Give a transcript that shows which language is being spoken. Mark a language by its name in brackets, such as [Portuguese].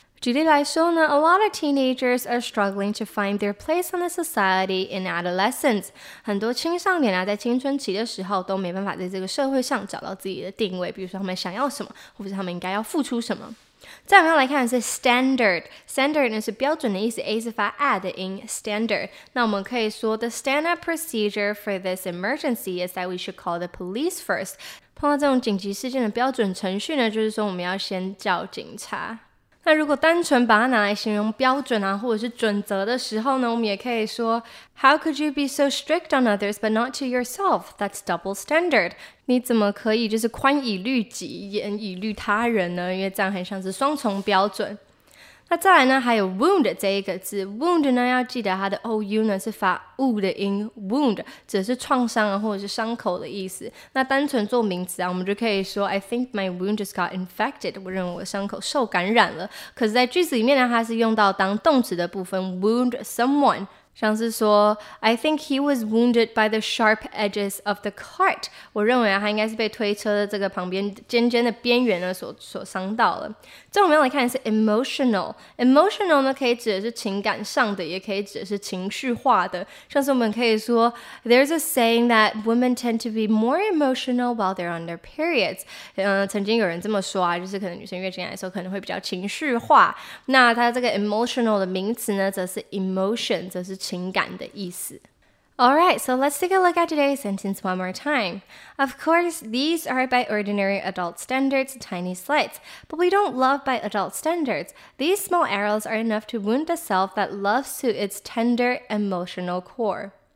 [Chinese] 举例来说呢， [English] a lot of teenagers are struggling to find their place in the society in adolescence. [Chinese] 很多青少年啊，在青春期的时候都没办法在这个社会上找到自己的定位，比如说他们想要什么，或者他们应该要付出什么。再我们要来看的是 standard。standard 呢是标准的意思， A 是发 A 的音 standard。那我们可以说 [English] the standard procedure for this emergency is that we should call the police first. [Chinese] 碰到这种紧急事件的标准程序呢，就是说我们要先叫警察。那如果单纯把它拿来形容标准啊，或者是准则的时候呢，我们也可以说 [English] How could you be so strict on others but not to yourself? That's double standard. [Chinese] 你怎么可以就是宽以律己，严以律他人呢？因为这样很像是双重标准。那再来呢，还有 wound 这一个字， wound 呢要记得它的 ou 呢是发 u 的音， wound 指的是创伤啊，或者是伤口的意思。那单纯做名词啊，我们就可以说 [English] I think my wound just got infected， [Chinese] 我认为我的伤口受感染了。可是在句子里面呢，它是用到当动词的部分 wound someone， 像是说 [English] I think he was wounded by the sharp edges of the cart， [Chinese] 我认为啊，他应该是被推车的这个旁边尖尖的边缘呢所伤到了。这我们要来看的是 emotional 呢可以指的是情感上的，也可以指的是情绪化的。像是我们可以说 [English] There's a saying that women tend to be more emotional while they're on their periods。 [Chinese] 曾经有人这么说啊，就是可能女生月经来的时候可能会比较情绪化。那它这个 emotional 的名词呢，则是 emotion， 则是情感的意思。 [English] Alright, so let's take a look at today's sentence one more time. Of course, these are by ordinary adult standards tiny slights, but we don't love by adult standards. These small arrows are enough to wound the self that loves to its tender emotional core.